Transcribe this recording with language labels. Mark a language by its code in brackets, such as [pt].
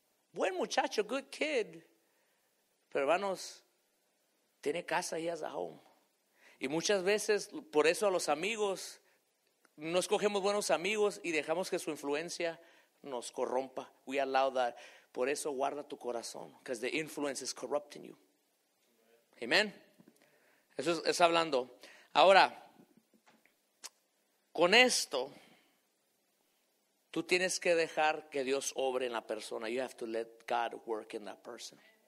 [es] Buen muchacho, [en] good kid. [es] Pero hermanos, tiene casa, [en] he has a home. [es] Y muchas veces, por eso a los amigos, no escogemos buenos amigos y dejamos que su influencia nos corrompa. [en] We allow that. [es] Por eso guarda tu corazón, [en] because the influence is corrupting you. [es] Amén. Eso es hablando. Ahora, con esto, tú tienes que dejar que Dios obre en la persona. [en] You have to let God work in that person.